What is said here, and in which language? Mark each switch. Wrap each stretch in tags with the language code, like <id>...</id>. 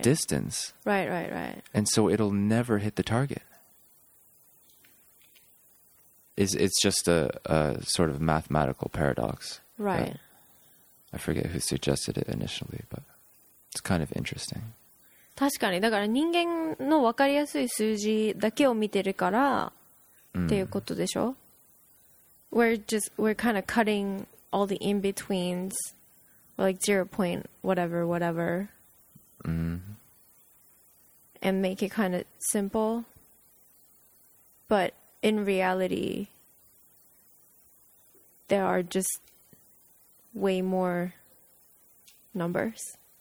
<en>distance. Right. And so it'll never hit the target. It's just a sort of mathematical paradox. Right. I forget who suggested it initially, but it's kind of interesting.</en> <ja>確かに。だから人間の分かりやすい数字だけを見てるから、っていうことでしょ?</ja> <en>We're kind of cutting all the in-betweens, like 0.whatever. Mm-hmm. And make it kind of simple. But in reality, there are just way more numbers.</en>